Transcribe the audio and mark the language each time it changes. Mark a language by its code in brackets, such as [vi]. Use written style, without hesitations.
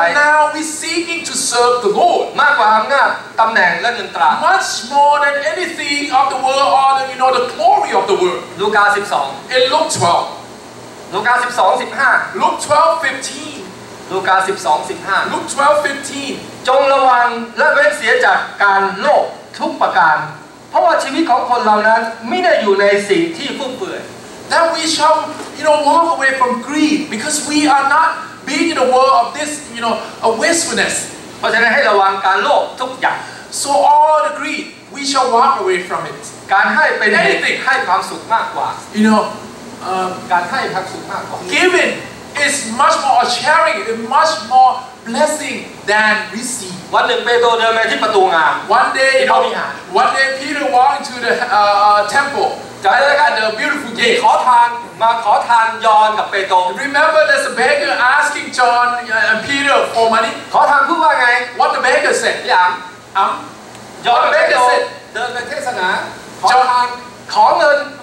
[en] But now we seeking to serve the Lord [th] มากกว่าอำนาจตำแหน่งและเงินตรา [en] Much more than anything of the world or the, you know the glory of the world [th] ลูกา12 [en] In Luke 12 [th] ลูกา12:15 [en] Luke 12:15 [th] ลูกา12:15 [en] Luke 12:15 [th] จงระวังและเว้นเสียจากการโลภทุกประการเพราะว่าชีวิตของคนเรานั้นไม่ได้อยู่ในสิ่งที่ฟุ่มเฟือย [en] That we shall you know walk away from greed because we are not being in the world of this you know a wastefulness [th] เพราะฉะนั้นให้ระวังการโลภทุกอย่าง [en] So all the greed we shall walk away from it [th] การให้เป็น [en] anything [th] ให้ความสุขมากกว่า [en] you know [th] การให้ความสุขมากกว่า [en] Giving is much more sharing is much more blessing than receive [th] วันหนึ่งเปโตรเดินมาที่ประตูงาม [en] One day you know one day Peter walked into the temple [th] ใจ แ ล้วกัน [en] the beautiful gate [th] ขอทานมาขอทานยอห์นกับเปโตร [en] Remember there's a beggar asking John and Peter for money [th] ขอทานพูดว่าไง [en] What the beggar said [th] อย่างยอห์นเปโตรเดินไปเทศนาขอทานขอเงิน